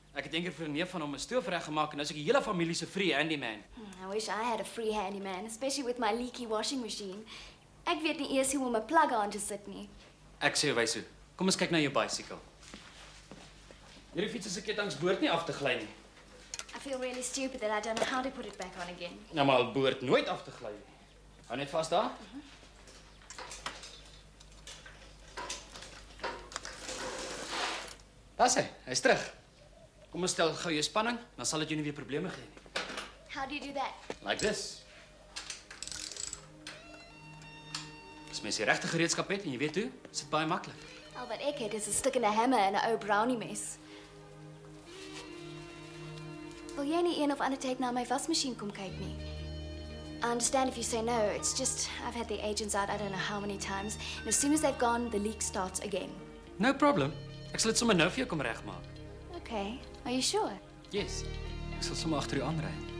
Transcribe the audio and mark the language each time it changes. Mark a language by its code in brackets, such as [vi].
[af] Ek het eendag vir 'n neef van hom 'n stoof reg gemaak en nou is ek die hele familie se free handyman. [en] I wish I had a free handyman, especially with my leaky washing machine. [af] Ek weet nie eers hoe om 'n plug aan te sit nie. Ek sê wys hoe. Kom ons kyk na jou bicycle. Hierdie fiets se ketting behoort nie af te gly nie. [en] I feel really stupid that I don't know how to put it back on again. [af] Nou maar, dit behoort nooit af te gly nie. Hou net vas daar. Daar is hy. Hy is terug. Kom, ons stel gauw jou spanning, dan sal het jou nie weer probleme gee nie. [en] How do you do that? Like this. [af] As mens die regte gereedskap het en jy weet hoe, is dit baie maklik. Al wat ek het is 'n stuk en 'n hammer en 'n ou brownie mes. Wil jy nie een of ander tyd na my wasmasjien kom kyk nie? [en] I understand if you say no, it's just I've had the agents out I don't know how many times. And as soon as they've gone, the leak starts again. No problem. [af] Ek sal dit sommer nou vir jou kom regmaak. [en] Okay, are you sure? [af] Yes, ek sal sommer agter jou aanry.